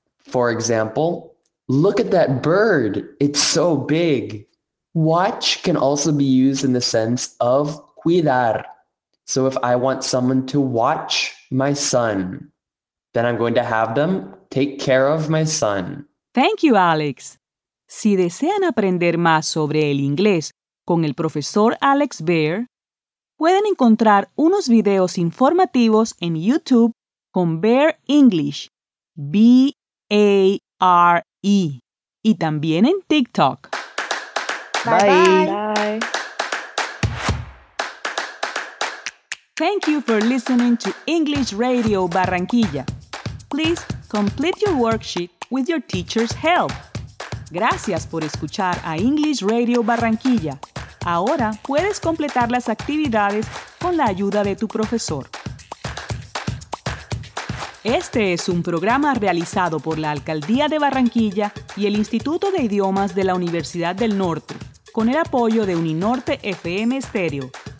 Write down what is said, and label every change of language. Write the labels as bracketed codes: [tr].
[en] For example, look at that bird. It's so big. Watch can also be used in the sense of cuidar. So if I want someone to watch my son, then I'm going to have them take care of my son. Thank you, Alex. [es] Si desean aprender más sobre el inglés con el profesor Alex Bear, pueden encontrar unos videos informativos en YouTube con Bear English. B-A-R-E. Y también en TikTok. [en] Bye. Bye. Thank you for listening to English Radio Barranquilla. Please complete your worksheet with your teacher's help. [es] Gracias por escuchar a English Radio Barranquilla. Ahora puedes completar las actividades con la ayuda de tu profesor. Este es un programa realizado por la Alcaldía de Barranquilla y el Instituto de Idiomas de la Universidad del Norte, con el apoyo de Uninorte FM Stereo,